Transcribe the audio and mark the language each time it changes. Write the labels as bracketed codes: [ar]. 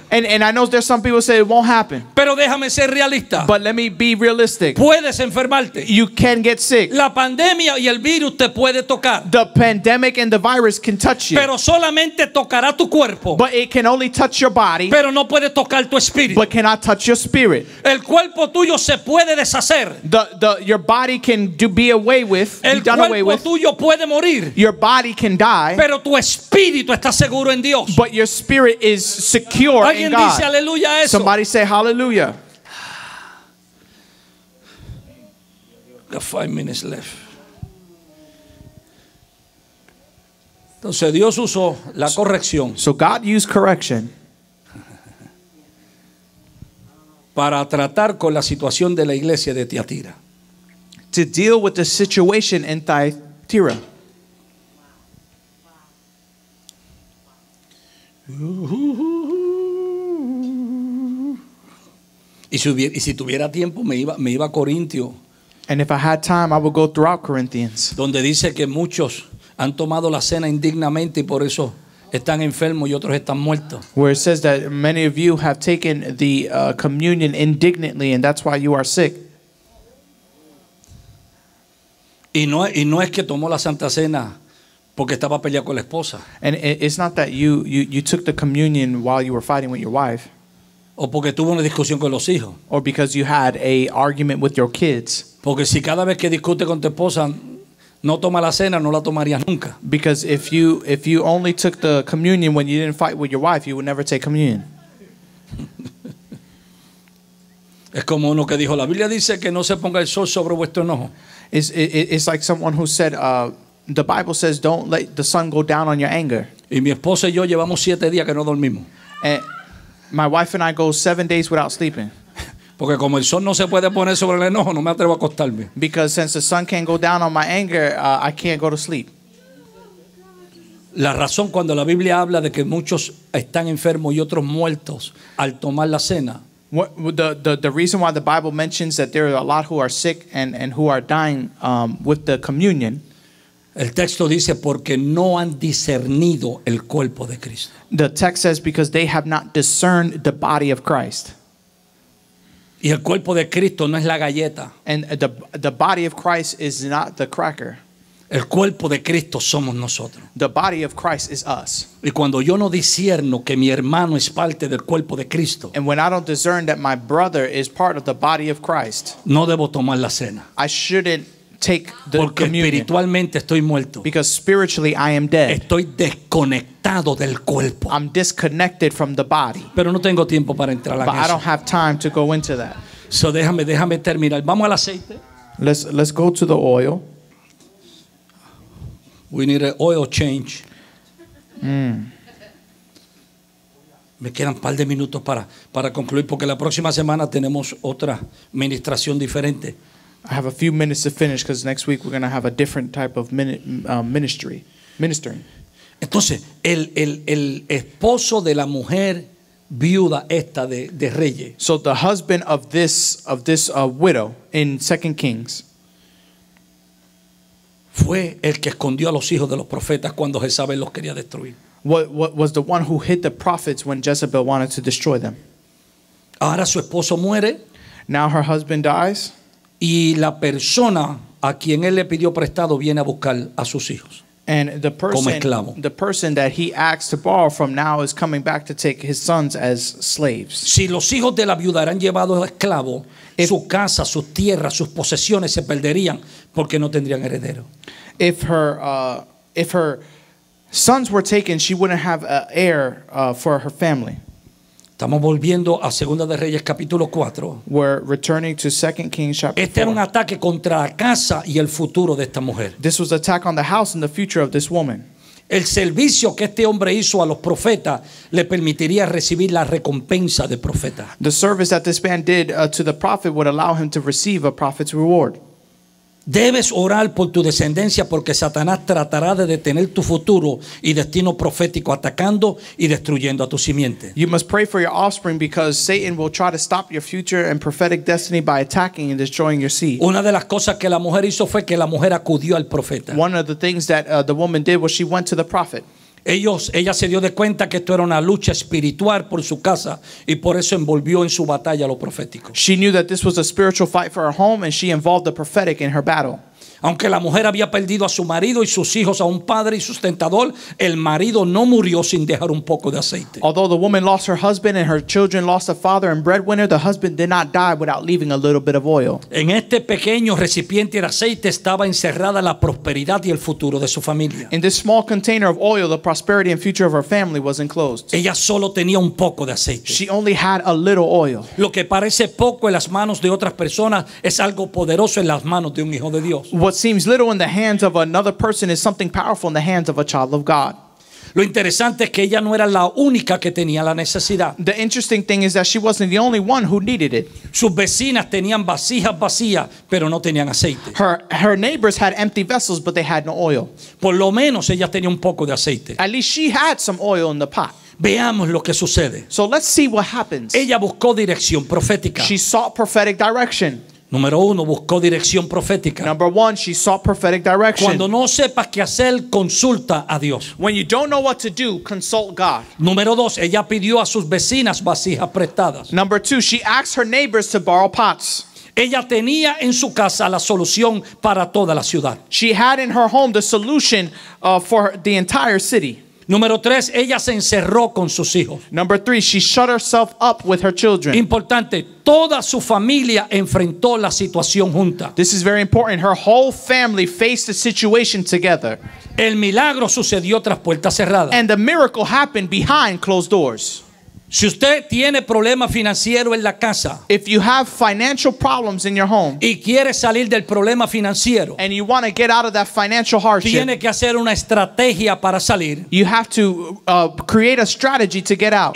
[en] And I know there's some people say it won't happen. [es] Pero déjame ser realista. [en] But let me be realistic. [es] Puedes enfermarte. [en] you can get sick. [es] La pandemia y el virus te puede tocar. [en] The pandemic and the virus can touch you. [es] Pero solamente tocará tu cuerpo. [en] But it can only touch your body. [es] Pero no puede tocar tu espíritu. [en] But cannot touch your spirit. [es] El cuerpo tuyo se puede deshacer. [en] Your body can be away with. [es] El [en] done [es] cuerpo [en] away with. [es] Tuyo puede morir. [en] Your body can die. [es] Pero tu espíritu está seguro en Dios. [en] But your spirit is secure in God. [es] Alguien dice aleluya eso. [en] Somebody say hallelujah. Got 5 minutes left. [es] Entonces Dios usó la corrección. [en] So God used correction [es] para tratar con la situación de la iglesia de Tiatira. [en] To deal with the situation in Thyatira. [es] Y si tuviera tiempo me iba a Corintio. [en] And if I had time, I would go throughout Corinthians. [es] Donde dice que muchos han tomado la cena indignamente y por eso están enfermos y otros están muertos. [en] Where it says that many of you have taken the communion indignantly and that's why you are sick. [es] Y no es que tomó la Santa Cena porque estaba peleado con la esposa. [en] And it's not that you took the communion while you were fighting with your wife. [es] O porque tuvo una discusión con los hijos. [en] Or because you had a argument with your kids. [es] Porque si cada vez que discute con tu esposa no toma la cena, no la tomaría nunca. [en] Because if you only took the communion when you didn't fight with your wife, you would never take communion. [es] Es como uno que dijo, la Biblia dice que no se ponga el sol sobre vuestro enojo. [en] It's like someone who said, the Bible says, don't let the sun go down on your anger. [es] Y mi esposa y yo llevamos 7 días que no dormimos. [en] And my wife and I go 7 days without sleeping. [es] Porque como el sol no se puede poner sobre el enojo, no me atrevo a acostarme. [en] Because since the sun can't go down on my anger, I can't go to sleep. [es] La razón cuando la Biblia habla de que muchos están enfermos y otros muertos al tomar la cena. [en] The reason why the Bible mentions that there are a lot who are sick and who are dying with the communion. [es] El texto dice porque no han discernido el cuerpo de Cristo. [en] The text says because they have not discerned the body of Christ. [es] Y el cuerpo de Cristo no es la galleta. [en] And the body of Christ is not the cracker. [es] El cuerpo de Cristo somos nosotros. [en] The body of Christ is us. [es] Y cuando yo no discierno que mi hermano es parte del cuerpo de Cristo. [en] And when I don't discern that my brother is part of the body of Christ. [es] No debo tomar la cena. [en] I shouldn't take the [es] porque [en] communion. [es] Porque espiritualmente estoy muerto. [en] Because spiritually I am dead. [es] Estoy desconectado del cuerpo. [en] I'm disconnected from the body. [es] Pero no tengo tiempo para entrar [en] but [es] en eso. [en] But I don't have time to go into that. [es] So déjame terminar. Vamos al aceite. [en] Let's go to the oil. We need an oil change. Mm. [es] Me quedan un par de minutos para concluir porque la próxima semana tenemos otra ministración diferente. [en] I have a few minutes to finish because next week we're going to have a different type of ministering. [es] Entonces, el esposo de la mujer viuda esta de Reyes. [en] So the husband of this widow in 2 Kings. [es] Fue el que escondió a los hijos de los profetas cuando Jezabel los quería destruir. [en] What was the one who hid the prophets when Jezebel wanted to destroy them? [es] Ahora su esposo muere. [en] Now her husband dies. [es] Y la persona a quien él le pidió prestado viene a buscar a sus hijos. [en] And the person, [es] como esclavo. [en] The person that he asked to borrow from now is coming back to take his sons as slaves. [es] Si los hijos de la viuda eran llevados a esclavo, su casa, sus tierras, sus posesiones se perderían porque no tendrían heredero. [en] If her sons were taken, she wouldn't have an heir for her family. [es] Estamos volviendo a Segunda de Reyes capítulo 4. [en] We're returning to 2 Kings chapter 4. [es] Este era un ataque contra la casa y el futuro de esta mujer. [en] This was an attack on the house and the future of this woman. [es] El servicio que este hombre hizo a los profetas le permitiría recibir la recompensa de profeta. [en] The service that this man did to the prophet would allow him to receive a prophet's reward. [es] Debes orar por tu descendencia porque Satanás tratará de detener tu futuro y destino profético atacando y destruyendo a tu simiente. [en] You must pray for your offspring because Satan will try to stop your future and prophetic destiny by attacking and destroying your seed. [es] Una de las cosas que la mujer hizo fue que la mujer acudió al profeta. [en] One of the things that the woman did was she went to the prophet. [es] Ella se dio de cuenta que esto era una lucha espiritual por su casa y por eso envolvió en su batalla lo profético. [en] She knew that this was a spiritual fight for her home and she involved the prophetic in her battle. [es] Aunque la mujer había perdido a su marido y sus hijos a un padre y sustentador, el marido no murió sin dejar un poco de aceite. [en] Although the woman lost her husband and her children lost a father and breadwinner, the husband did not die without leaving a little bit of oil. [es] En este pequeño recipiente de aceite estaba encerrada la prosperidad y el futuro de su familia. [en] In this small container of oil, the prosperity and future of her family was enclosed. [es] Ella solo tenía un poco de aceite. [en] She only had a little oil. [es] Lo que parece poco en las manos de otras personas es algo poderoso en las manos de un hijo de Dios. [en] What seems little in the hands of another person is something powerful in the hands of a child of God. [es] Lo interesante es que ella no era la única que tenía la necesidad. [en] The interesting thing is that she wasn't the only one who needed it. [es] Sus vecinas tenían vasijas vacías, pero no tenían aceite. [en] Her neighbors had empty vessels, but they had no oil. [es] Por lo menos ella tenía un poco de aceite. [en] At least she had some oil in the pot. [es] Veamos lo que sucede. [en] So let's see what happens. [es] Ella buscó dirección profética. [en] She sought prophetic direction. [es] Número uno, buscó dirección profética. [en] Number one, she sought prophetic direction. [es] Cuando no sepas qué hacer, consulta a Dios. [en] When you don't know what to do, consult God. [es] Número dos, ella pidió a sus vecinas vasijas prestadas. [en] Number two, she asked her neighbors to borrow pots. [es] Ella tenía en su casa la solución para toda la ciudad. [en] She had in her home the solution for the entire city. [es] Número tres, ella se encerró con sus hijos. [en] Number three, she shut herself up with her children. [es] Importante, toda su familia enfrentó la situación junta. [en] This is very important. Her whole family faced the situation together. [es] El milagro sucedió tras puertas cerradas. [en] And the miracle happened behind closed doors. [es] Si usted tiene problemas financieros en la casa, [en] if you have financial problems in your home, [es] y quiere salir del problema financiero, [en] and you want to get out of that financial hardship, [es] tiene que hacer una estrategia para salir, [en] you have to create a strategy to get out,